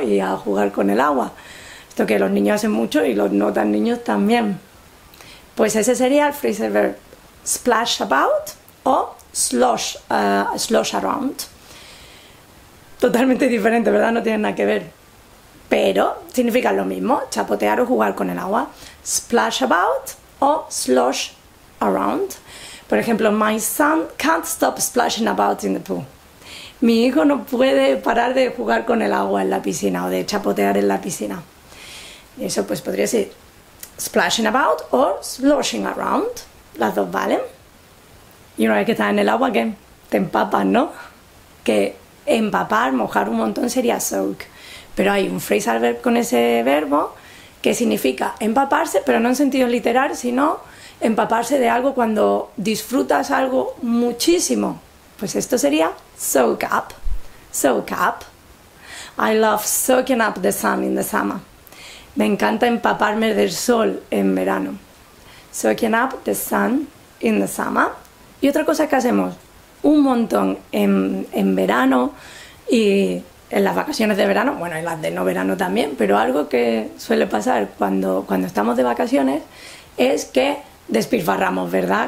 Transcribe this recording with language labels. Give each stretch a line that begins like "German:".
Spanish: Y a jugar con el agua. Que los niños hacen mucho y los no tan niños también. Pues ese sería el phrasal verb splash about o slosh around. Totalmente diferente, ¿verdad? No tienen nada que ver. Pero significa lo mismo, chapotear o jugar con el agua.
English: Splash about o slosh around.
Spanish: Por ejemplo,
English: my son can't stop splashing about in the pool.
Spanish: Mi hijo no puede parar de jugar con el agua en la piscina o de chapotear en la piscina. Eso pues podría ser splashing about o sloshing around, las dos valen. Y una vez que estás en el agua, ¿qué? Te empapas, ¿no? Que empapar, mojar un montón sería soak. Pero hay un phrasal verb con ese verbo que significa empaparse, pero no en sentido literal, sino empaparse de algo cuando disfrutas algo muchísimo. Pues esto sería
English: soak up, soak up. I love soaking up the sun in the summer.
Spanish: Me encanta empaparme del sol en verano.
English: Soaking up the sun in the summer.
Spanish: Y otra cosa que hacemos un montón en verano y en las vacaciones de verano, bueno, y las de no verano también, pero algo que suele pasar cuando estamos de vacaciones es que despilfarramos, ¿verdad?